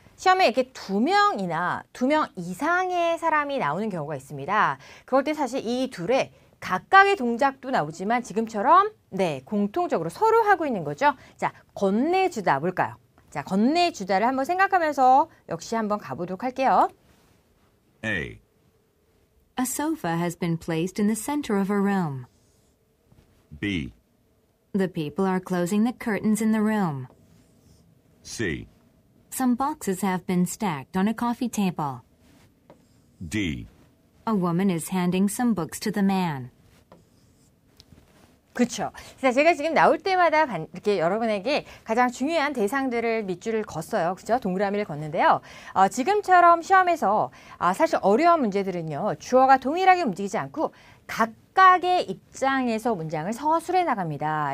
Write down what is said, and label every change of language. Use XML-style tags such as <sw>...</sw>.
<ko>시험에 이렇게 두 명 이상의 사람이 나오는 경우가 있습니다. 그럴 때 사실 이 둘의 각각의 동작도 나오지만 지금처럼 네, 공통적으로 서로 하고 있는 거죠. 자, 건네주다 볼까요? 자, 건네주다를 한번 생각하면서 역시 한번 가보도록 할게요.</ko> <en>A. A sofa has been placed in the center of a room. B. The people are closing the curtains in the room. C. Some boxes have been stacked on a coffee table. D. A woman is handing some books to the man.</en> <ko>그렇죠. 제가 지금 나올 때마다 이렇게 여러분에게 가장 중요한 대상들을 밑줄을 걷어요. 그죠? 동그라미를 걷는데요. 지금처럼 시험에서 사실 어려운 문제들은요. 주어가 동일하게 움직이지 않고 각 각각의 입장에서 문장을 서술해 나갑니다.</ko>